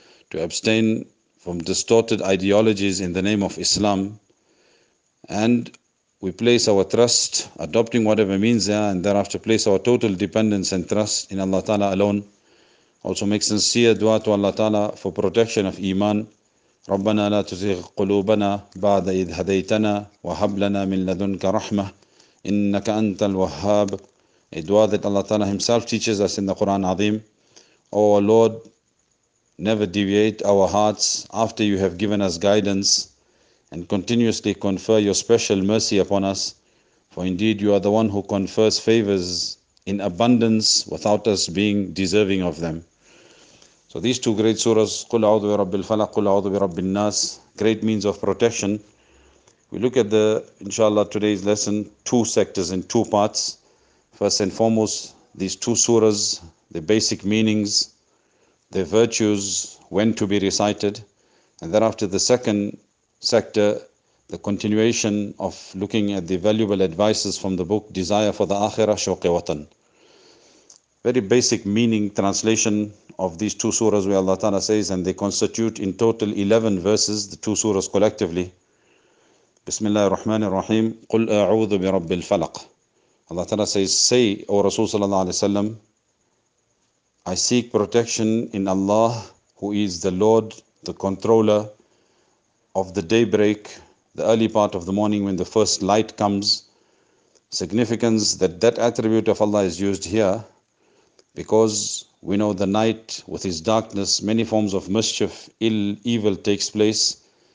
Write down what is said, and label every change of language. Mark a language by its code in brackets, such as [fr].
[en] To abstain from distorted ideologies in the name of Islam, and we place our trust, adopting whatever means there, and thereafter place our total dependence and trust in Allah Ta'ala alone. Also make sincere dua to Allah Ta'ala for protection of Iman. [ar] ربنا لا تزغ قلوبنا بعد إذ هديتنا وهب لنا من لدنك رحمة إنك أنت الوهاب. [en] A dua that Allah Ta'ala himself teaches us in the Quran Azim. O Lord, never deviate our hearts after you have given us guidance and continuously confer your special mercy upon us. For indeed you are the one who confers favors in abundance without us being deserving of them. So these two great surahs, [ar] قُلْ أَعُوذُ بِرَبِّ الْفَلَقِ قُلْ أَعُوذُ بِرَبِّ النَّاسِ, [en] great means of protection. We look at the, inshallah, today's lesson, two sectors in two parts. First and foremost, these two surahs, their basic meanings, their virtues, when to be recited. And thereafter, the second sector, the continuation of looking at the valuable advices from the book, Desire for the Akhirah, Shauqi Watan. Very basic meaning translation of these two surahs where Allah Ta'ala says, and they constitute in total 11 verses, the two surahs collectively. [ar] Bismillah ar-Rahman ar-Rahim, قُلْ أَعُوذُ بِرَبِّ الْفَلَقِ. [en] Allah Ta'ala says, say, O Rasul Sallallahu Alaihi Wasallam, I seek protection in Allah, who is the Lord, the controller of the daybreak, the early part of the morning when the first light comes. Significance that that attribute of Allah is used here, because we know the night with its darkness, many forms of mischief, ill, evil takes place.